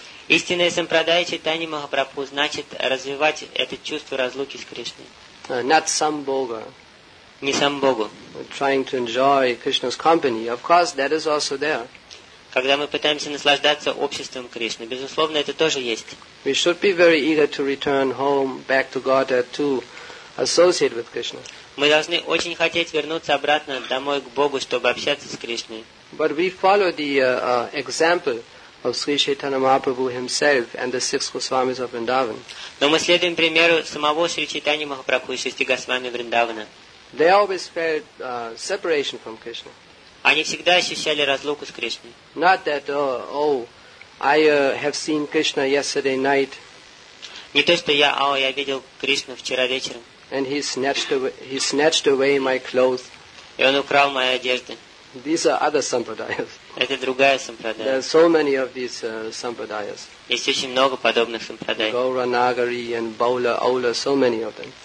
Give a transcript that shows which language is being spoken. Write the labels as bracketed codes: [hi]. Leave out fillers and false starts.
[ru] Истинное сампрадая Чайтанья Махапрабху значит развивать это чувство разлуки с Кришной. [en] Not some boga. [ru] Не сам богу. [en] Trying to enjoy Krishna's company. Of course, that is also there. [ru] Когда мы пытаемся наслаждаться обществом Кришны, безусловно, это тоже есть. [en] We should be very eager to return home, back to Godhead, to associate with Krishna. [ru] Мы должны очень хотеть вернуться обратно домой к Богу, чтобы общаться с Кришной. [en] But we follow the example of Sri Chaitanya Mahaprabhu himself and the six Goswamis of Vrindavan. [ru] Но мы следуем примеру самого Шри Чайтаньи Махапрабху и шести Госвами Вриндавана. [en] They always felt separation from Krishna. [ru] Они всегда ощущали разлуку с Кришной. [en] Not that, I have seen Krishna yesterday night. [ru] Не то, что я видел Кришну вчера вечером. [en] And he snatched away my clothes. [ru] И он украл мою одежду. [en] These are other sampradayas. [ru] Это другая сампрадая. [en] There are so many of these sampradayas. [ru] Есть очень много подобных сампрадай. Гауранагари and Баула Аула, so many of them.